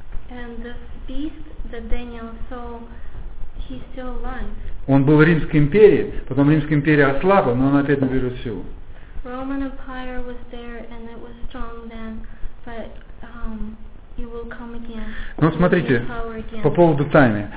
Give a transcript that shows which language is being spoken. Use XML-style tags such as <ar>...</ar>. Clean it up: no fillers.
<en>And this beast that Daniel saw, he's still alive.</en> <ru>Он был в Римской империи, потом Римская империя ослабла, но он опять наберет силу.</ru> <en>Roman Empire was there and it was strong then, but it will come again.</en> <ru>Ну, смотрите, по поводу тайны.</ru>